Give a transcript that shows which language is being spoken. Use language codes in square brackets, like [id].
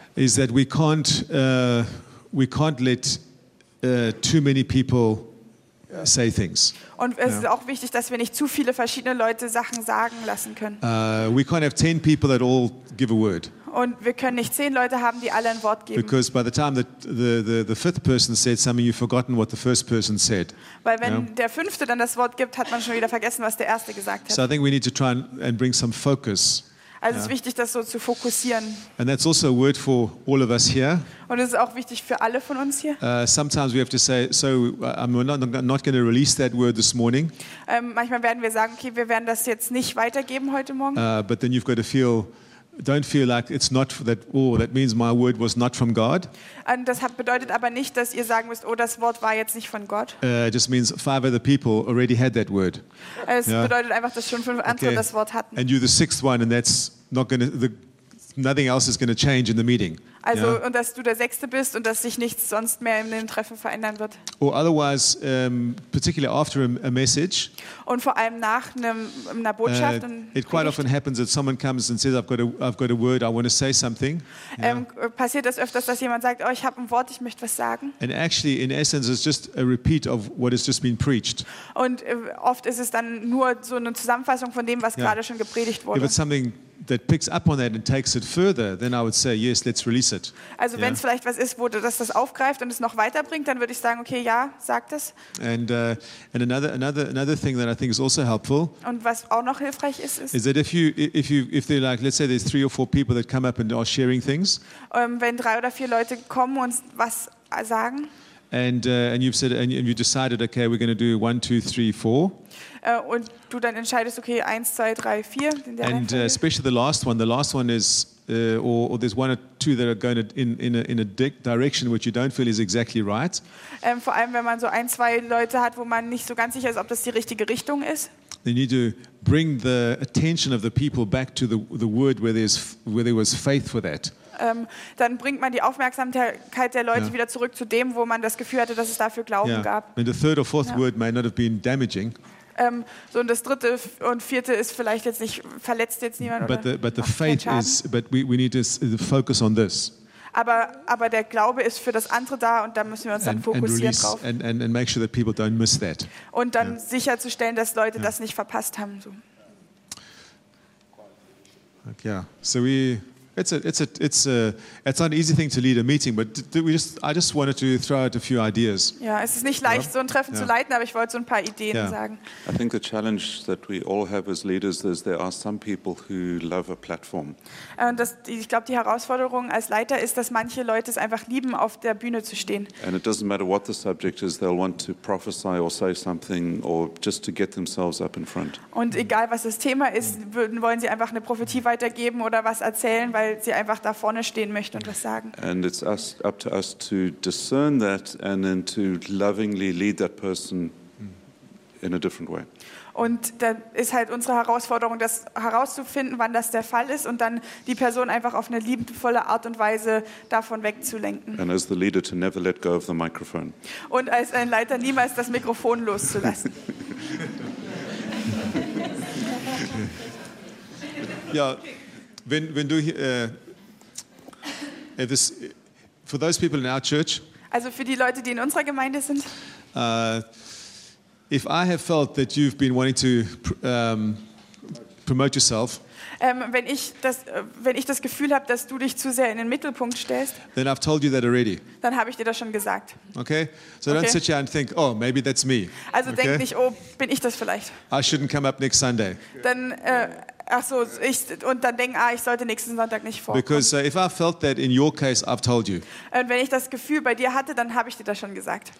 [en] is that we can't let too many people say things. [de] Und es ist auch wichtig, dass wir nicht zu viele verschiedene Leute Sachen sagen lassen können. [en] We can't have 10 people that all give a word. [de] Und wir können nicht 10 Leute haben, die alle ein Wort geben. [en] Because by the time that the fifth person said something, you've forgotten what the first person said. [de] Weil wenn der fünfte dann das Wort gibt, hat man schon wieder vergessen, was der erste gesagt hat. [en] So I think we need to try and bring some focus. [de] Also es ist wichtig, das so zu fokussieren. [en] And that's also a word for all of us here. [de] Und es ist auch wichtig für alle von uns hier. [en] Sometimes we have to say, so I'm not going to release that word this morning. [de] Manchmal werden wir sagen, okay, wir werden das jetzt nicht weitergeben heute Morgen. [en] But then you've got to feel, don't feel like it's not that, oh, that means my word was not from God. [de] Und das bedeutet aber nicht, dass ihr sagen müsst, oh, das Wort war jetzt nicht von Gott. [en] It just means 5 other people already had that word. [de] Es bedeutet einfach, dass schon 5 andere das Wort hatten. [en] And you're the 6th one, and that's not going to, nothing else is going to change in the meeting. [de] Also, und dass du der 6. bist und dass sich nichts sonst mehr in dem Treffen verändern wird. [en] Or otherwise, particularly after a message. [de] Und vor allem nach einer Botschaft. [en] It quite often happens that someone comes and says, I've got a word, I want to say something. [de] Passiert das öfters, dass jemand sagt, oh, ich habe ein Wort, ich möchte was sagen. [en] And actually, in essence, it's just a repeat of what has just been preached. [de] Und oft ist es dann nur so eine Zusammenfassung von dem, was gerade schon gepredigt wurde. [en] If it's something that picks up on that and takes it further, then I would say, yes, let's release it. [de] Also wenn es vielleicht was ist, wo das aufgreift und es noch weiterbringt, dann würde ich sagen, okay, ja, sag das. [en] And another thing that I think is also helpful. [de] Und was auch noch hilfreich ist, [en] is that if they're like, let's say there's 3 or 4 people that come up and are sharing things. [de] Wenn 3 oder 4 Leute kommen und was sagen. [en] And you decided, okay, we're going to do 1, 2, 3, 4. [de] Und du dann entscheidest, okay, 1, 2, 3, 4. [en] And especially the last one. The last one is, or there's 1 or 2 that are going in a direction which you don't feel is exactly right. [de] Vor allem, wenn man so 1, 2 Leute hat, wo man nicht so ganz sicher ist, ob das die richtige Richtung ist. [en] They need to bring the attention of the people back to the word where there was faith for that. [de] Dann bringt man die Aufmerksamkeit der Leute wieder zurück zu dem, wo man das Gefühl hatte, dass es dafür Glauben gab. [en] And the third or fourth word may not have been damaging. [de] So und das dritte und vierte ist vielleicht jetzt nicht verletzt jetzt niemand [en] but [de] oder. [en] But the faith is, but we need to focus on this. [de] Aber der Glaube ist für das andere da und da müssen wir uns dann fokussieren [en] release, [de] drauf. [en] And make sure that people don't miss that. [de] Und dann sicherzustellen, dass Leute das nicht verpasst haben. [en] So. Okay, so we. It's not an easy thing to lead a meeting, but I just wanted to throw out a few ideas. [de] Ja, es ist nicht leicht, so ein Treffen zu leiten, aber ich wollte so ein paar Ideen sagen. [en] I think the challenge that we all have as leaders is there are some people who love a platform. [de] Ich glaube, die Herausforderung als Leiter ist, dass manche Leute es einfach lieben, auf der Bühne zu stehen. [en] And it doesn't matter what the subject is, they'll want to prophesy or say something or just to get themselves up in front. [de] Und egal, was das Thema ist, wollen sie einfach eine Prophetie weitergeben oder was erzählen, weil sie einfach da vorne stehen möchte und was sagen. [en] And it's us, up to us to discern that and then to lovingly lead that person in a different way. [de] Und da ist halt unsere Herausforderung, das herauszufinden, wann das der Fall ist und dann die Person einfach auf eine liebevolle Art und Weise davon wegzulenken. [en] And as the leader to never let go of the microphone. [de] Und als ein Leiter niemals das Mikrofon loszulassen. Ja. Wenn du [en] this, for those people in our church, [de] also für die Leute, die in unserer Gemeinde sind, [en] if I have felt that you've been wanting to promote yourself, [de] wenn ich das Gefühl habe, dass du dich zu sehr in den Mittelpunkt stellst, [en] then I've told you that already. [de] Dann habe ich dir das schon gesagt. [en] Okay, so don't sit here and think, oh, maybe that's me. [de] Also denk nicht, oh, bin ich das vielleicht? [en] I shouldn't come up next Sunday. [de] Dann ach so, ich sollte nächsten Sonntag nicht vorkommen. [en] Because if I felt that in your case, I've told you. [de] Und wenn ich das Gefühl bei dir hatte, dann habe ich dir das schon gesagt.